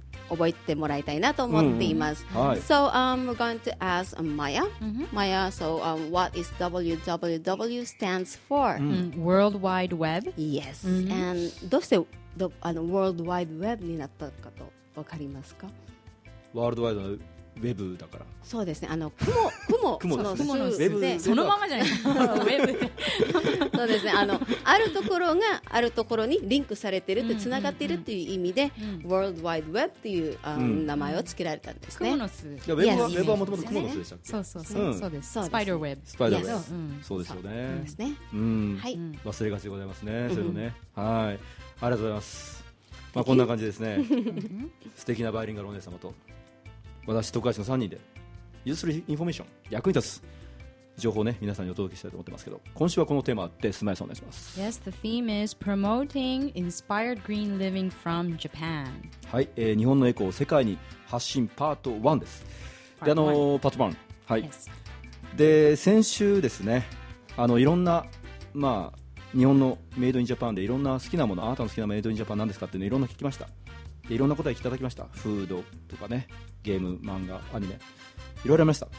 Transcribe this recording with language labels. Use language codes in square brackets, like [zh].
[ja] 覚えてもらいたいなと思っています、 mm-hmm. [en] So、we're going to ask Maya、mm-hmm. Maya, so、what is www stands for、 mm-hmm. World Wide Web yes、mm-hmm. and [ja] どうしてあのワールドワイドウェブになったかと分かりますか。ワールドワイドのウェブだから。そうですね、あの 雲そのですね、ウェブでそのままじゃないウェブそうですね、 あるところがあるところにリンクされてるってつながっているっていう意味でワールドワイドウェブっていう、名前を付けられたんですね。雲の巣。いや、ウェブは、 [en] yes. [ja] ウェブはもともと雲の巣でしたっけ。そうそうそう、そうです、うん、スパイダーウェブ。スパイダーウェブ、 [en] yes. [ja] そうですよね。忘れがちでございますね、それとね、はい、ありがとうございます、まあ、こんな感じですね素敵なバイリンガルお姉様と私徳橋の3人でユースフルインフォメーション役に立つ情報を、ね、皆さんにお届けしたいと思ってますけど、今週はこのテーマでスマイさんお願いします。 [en] Yes, the theme is promoting inspired green living from Japan。 [ja] はい、日本のエコを世界に発信パート1です。で、パート1、はい、 [en] yes. [ja] で先週ですね、いろんな、まあ日本のメイドインジャパンでいろんな好きなもの、あなたの好きなメイドインジャパン何ですかっていうのをいろんな聞きました。でいろんな答えいただきました。フードとかね、ゲーム、漫画、アニメ、いろいろありました。